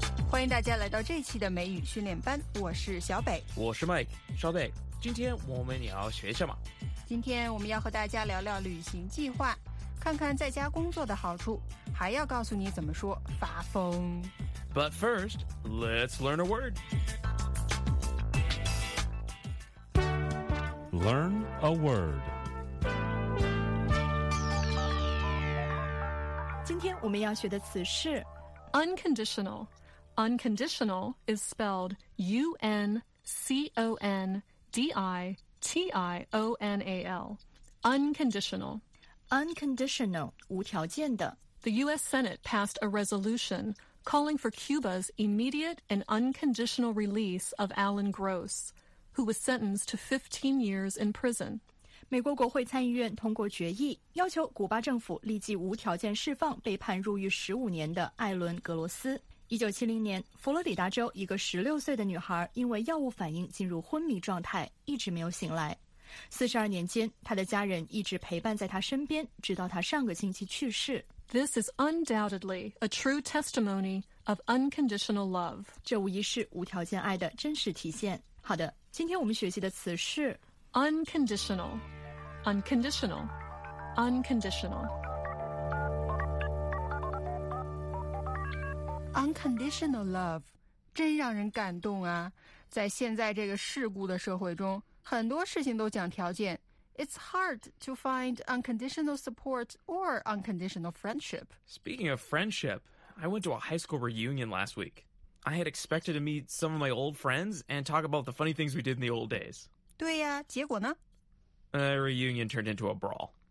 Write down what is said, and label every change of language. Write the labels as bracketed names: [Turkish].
[Chinese] 欢迎大家来到这期的美语训练班，我是小北，我是 Mike。小北，今天我们也要学什么？今天我们要和大家聊聊旅行计划，看看在家工作的好处，还要告诉你怎么说发疯。 [English] But first, let's learn a word. Learn a word. [Chinese] 今天我们要学的词是 [English] unconditional. Unconditional is spelled UNCONDITIONAL. Unconditional. [Chinese] Unconditional, 无条件的。 [English] The U.S. Senate passed a resolution calling for Cuba's immediate and unconditional release of Alan Gross, who was sentenced to 15 years in prison. [Chinese] 美国国会参议院通过决议，要求古巴政府立即无条件释放被判入狱15年的艾伦·格罗斯。 1970年，佛罗里达州一个16岁的女孩因为药物反应进入昏迷状态，一直没有醒来。 42年间，他的家人一直陪伴在他身边，直到他上个星期去世。 [English] This is undoubtedly a true testimony of unconditional love. [Chinese] 这无疑是无条件爱的真实体现。好的，今天我们学习的词是 [English] unconditional, unconditional, unconditional. Unconditional love, [Chinese] 真让人感动啊！在现在这个世故的社会中，很多事情都讲条件。 [English] It's hard to find unconditional support or unconditional friendship. Speaking of friendship, I went to a high school reunion last week. I had expected to meet some of my old friends and talk about the funny things we did in the old days. [Chinese] 对呀，结果呢？ [English] A reunion turned into a brawl.